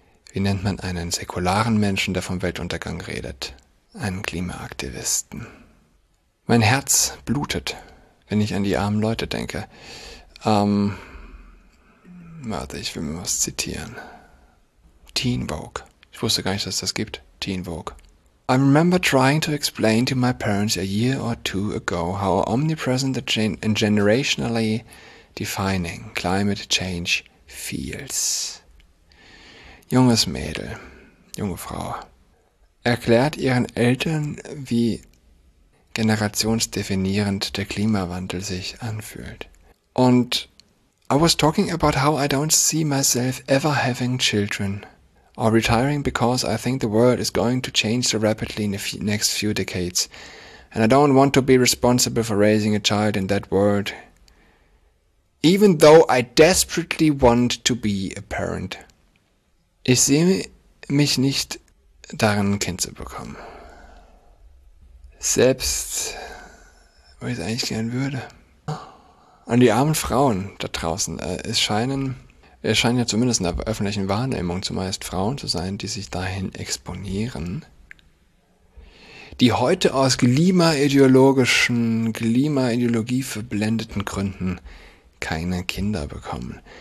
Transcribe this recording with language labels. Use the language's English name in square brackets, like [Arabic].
[German] Wie nennt man einen säkularen Menschen, der vom Weltuntergang redet? Einen Klimaaktivisten. Mein Herz blutet, wenn ich an die armen Leute denke. Warte, ich will mir was zitieren. Teen Vogue. Ich wusste gar nicht, dass es das gibt. Teen Vogue. [English] I remember trying to explain to my parents a year or two ago how omnipresent and generationally defining climate change feels. [German] Junges Mädel, junge Frau, erklärt ihren Eltern, wie generationsdefinierend der Klimawandel sich anfühlt. Und [English] I was talking about how I don't see myself ever having children or retiring because I think the world is going to change so rapidly in the next few decades. And I don't want to be responsible for raising a child in that world. Even though I desperately want to be a parent. [German] Ich sehe mich nicht darin, ein Kind zu bekommen. Selbst, wo ich es eigentlich gern würde. An die armen Frauen da draußen, es scheinen ja zumindest in der öffentlichen Wahrnehmung zumeist Frauen zu sein, die sich dahin exponieren, die heute aus Klimaideologie verblendeten Gründen keine Kinder bekommen.